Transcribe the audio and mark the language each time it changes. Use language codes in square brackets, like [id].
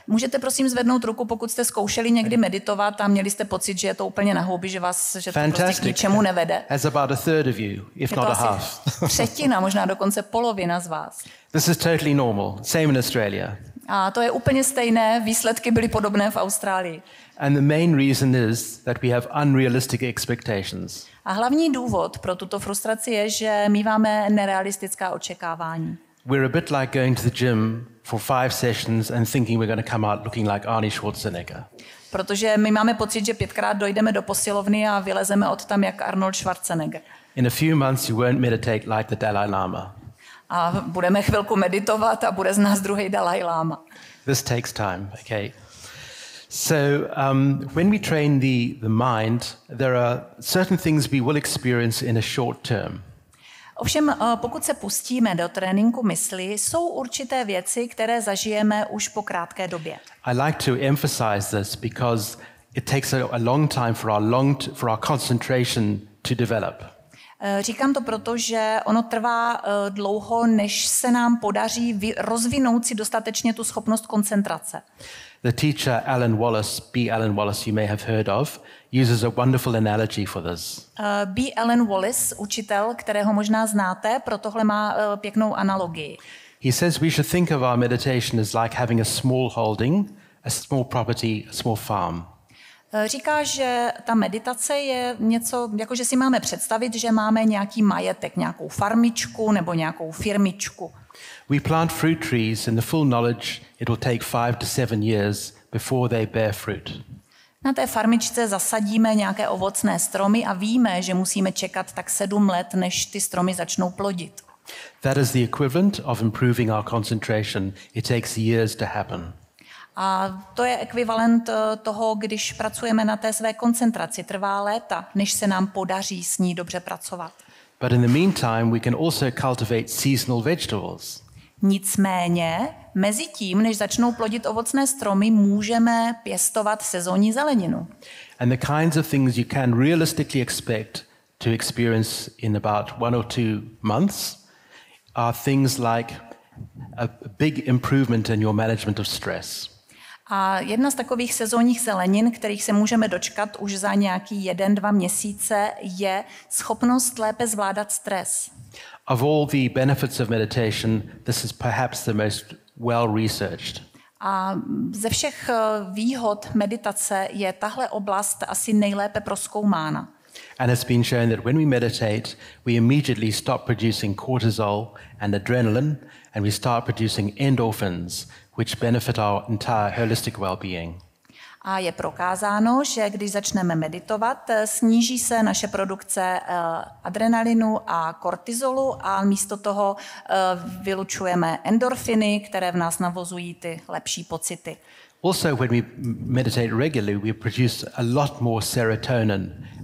[cs] Můžete prosím zvednout ruku, pokud jste zkoušeli někdy meditovat a měli jste pocit, že je to úplně na houby, že vás, že to prostě k ničemu nevede. [en] As about a third of you, if not a half. [cs] Třetina, možná dokonce polovina z vás. [en] This is totally normal. Same in Australia. [cs] A to je úplně stejné, výsledky byly podobné v Austrálii. [en] And the main reason is that we have unrealistic expectations. [cs] A hlavní důvod pro tuto frustraci je, že míváme nerealistická očekávání. [en] We're a bit like going to the gym for 5 sessions and thinking we're going to come out looking like Arnie Schwarzenegger. [cs] Protože my máme pocit, že pětkrát dojdeme do posilovny a vylezeme od tam jak Arnold Schwarzenegger. [en] In a few months you won't meditate like the Dalai Lama. [cs] A budeme chvilku meditovat a bude z nás druhý Dalai Lama. [en] This takes time, okay? So, when we train the mind, there are certain things we will experience in a short term. [cs] Ovšem, pokud se pustíme do tréninku mysli, jsou určité věci, které zažijeme už po krátké době. [en] I like to emphasize this because it takes a long time for our concentration to develop. [cs] Říkám to proto, že ono trvá dlouho, než se nám podaří rozvinout si dostatečně tu schopnost koncentrace. [en] The teacher Alan Wallace, B. Alan Wallace, you may have heard of, uses a wonderful analogy for this. [cs] B. Alan Wallace, učitel, kterého možná znáte, pro tohle má pěknou analogii. [en] He says we should think of our meditation as like having a small holding, a small property, a small farm. [cs] Říká, že ta meditace je něco, jako že si máme představit, že máme nějaký majetek, nějakou farmičku nebo nějakou firmičku. [en] We plant fruit trees in the full knowledge it will take 5 to 7 years before they bear fruit. [cs] Na té farmičce zasadíme nějaké ovocné stromy a víme, že musíme čekat tak 7 let, než ty stromy začnou plodit. [en] That is the equivalent of improving our concentration. It takes years to happen. [cs] A to je ekvivalent toho, když pracujeme na té své koncentraci, trvá léta, než se nám podaří s ní dobře pracovat. [en] But in the meantime, we can also cultivate seasonal vegetables. [cs] Nicméně, mezi tím, než začnou plodit ovocné stromy, můžeme pěstovat sezónní zeleninu. [en] And the kinds of things you can realistically expect to experience in about 1 or 2 months are things like a big improvement in your management of stress. [cs] A jedna z takových sezónních zelenin, kterých se můžeme dočkat už za nějaký 1-2 měsíce, je schopnost lépe zvládat stres. [en] Of all the benefits of meditation, this is perhaps the most well researched. [cs] A ze všech výhod meditace je tahle oblast asi nejlépe prozkoumána. [en] And it's been shown that when we meditate, we immediately stop producing cortisol and adrenaline and we start producing endorphins, which benefit our entire holistic well-being. [cs] A je prokázáno, že když začneme meditovat, sníží se naše produkce adrenalinu a kortizolu a místo toho vylučujeme endorfiny, které v nás navozují ty lepší pocity. [en] Also, when we meditate regularly, we produce a lot more serotonin.